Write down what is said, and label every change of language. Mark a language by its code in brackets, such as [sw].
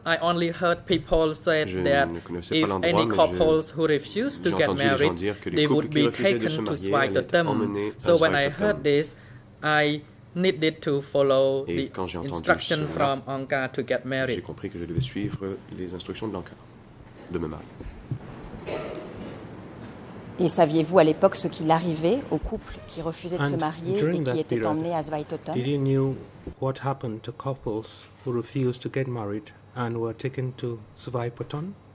[en] I only heard people say that if any couples who refuse to get married, they would be taken to Swai Totem. So when I heard this, I needed to follow the instruction from Anka to get married. [fr] J'ai compris que je devais suivre les instructions de l'Anka de me marier. Et saviez-vous à l'époque ce qu'il arrivait aux couples qui refusaient de se marier et qui étaient emmenés à Swai Totem? [en] Did you know what happened to couples who refused to get married and were taken to Swai Totem?